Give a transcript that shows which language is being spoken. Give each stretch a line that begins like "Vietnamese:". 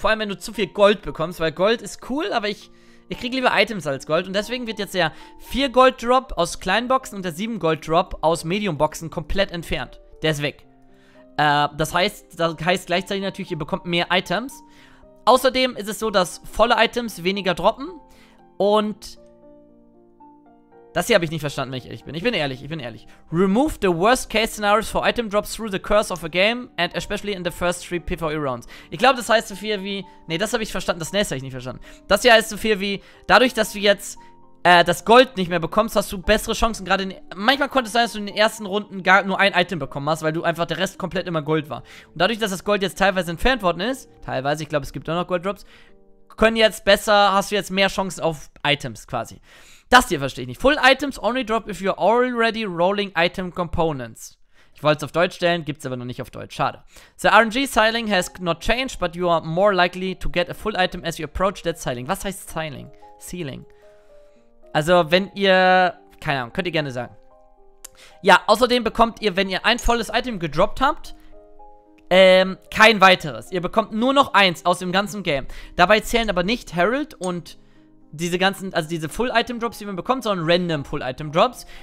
German: Vor allem, wenn du zu viel Gold bekommst, weil Gold ist cool, aber ich kriege lieber Items als Gold. Und deswegen wird jetzt der 4-Gold-Drop aus kleinen Boxen und der 7-Gold-Drop aus Medium-Boxen komplett entfernt. Der ist weg. Das heißt gleichzeitig natürlich, ihr bekommt mehr Items. Außerdem ist es so, dass volle Items weniger droppen. Und das hier habe ich nicht verstanden, wenn ich ehrlich bin. Ich bin ehrlich.
English: Remove the worst case scenarios for item drops through the curse of a game and especially in the first 3 PvE rounds.
German: Ich glaube, das heißt so viel wie, nee, das habe ich verstanden, das nächste habe ich nicht verstanden. Das hier heißt so viel wie, dadurch, dass wir jetzt das Gold nicht mehr bekommst, hast du bessere Chancen. Gerade manchmal konnte es sein, dass du in den ersten Runden gar nur ein Item bekommen hast, weil du einfach der Rest komplett immer Gold war. Und dadurch, dass das Gold jetzt teilweise entfernt worden ist, teilweise, ich glaube, es gibt auch noch Golddrops, können jetzt besser, hast du jetzt mehr Chancen auf Items quasi. Das hier verstehe ich nicht.
English: Full Items only drop if you're already rolling item components.
German: Ich wollte es auf Deutsch stellen, gibt es aber noch nicht auf Deutsch. Schade.
English: The RNG styling has not changed, but you are more likely to get a full item as you approach that styling.
German: Was heißt styling? Ceiling. Also, wenn ihr... Keine Ahnung, könnt ihr gerne sagen. Ja, außerdem bekommt ihr, wenn ihr ein volles Item gedroppt habt, kein weiteres. Ihr bekommt nur noch eins aus dem ganzen Game. Dabei zählen aber nicht Herald und diese ganzen, also diese Full-Item-Drops, die man bekommt, sondern Random-Full-Item-Drops.